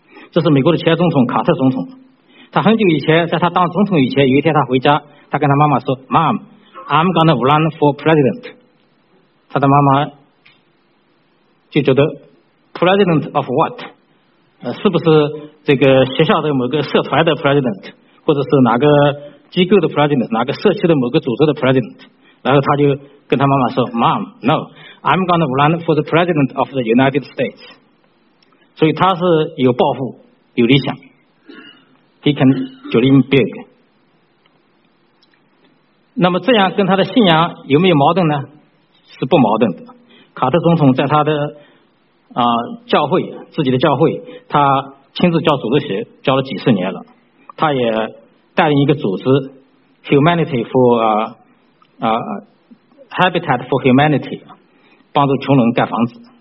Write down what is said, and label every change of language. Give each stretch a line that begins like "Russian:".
Chinese: 这是美国的前总统卡特总统，他很久以前，在他当总统以前，有一天他回家，他跟他妈妈说，
English: Mom， I'm gonna run for president，
Chinese: 他的妈妈就觉得
English: president of what，
Chinese: 是不是这个学校的某个社团的 president， 或者是哪个机构的 president， 哪个社区的某个组织的 president。然后他就跟他妈妈说
English: Mom no I'm gonna run for the president of the United States。
Chinese: 所以他是有抱负有理想，
English: He can dream big。
Chinese: 那么这样跟他的信仰有没有矛盾呢？是不矛盾的。卡特总统在他的教会，自己的教会，他亲自教组织学教了几十年了，他也带领一个组织 Humanity for Habitat for Humanity， 帮助穷人盖房子。